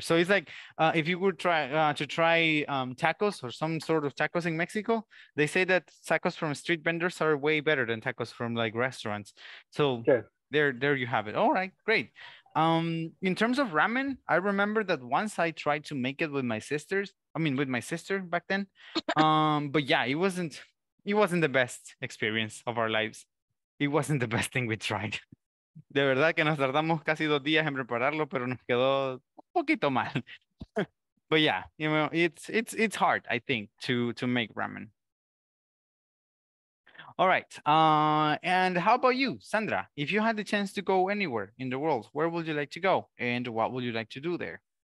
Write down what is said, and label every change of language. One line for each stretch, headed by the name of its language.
English: So it's like if you would try tacos or some sort of tacos in Mexico, they say that tacos from street vendors are way better than tacos from like restaurants. So yes. There you have it. All right, great. In terms of ramen, I remember that once I tried to make it with my sister back then. But yeah, it wasn't the best experience of our lives. It wasn't the best thing we tried.
Spanish: De verdad que nos tardamos casi 2 días en prepararlo, pero nos quedó un poquito mal.
English: But yeah, you know, it's hard, I think, to make ramen. All right. And how about you, Sandra? If you had the chance to go anywhere in the world, where would you like to go? And what would you like to do there?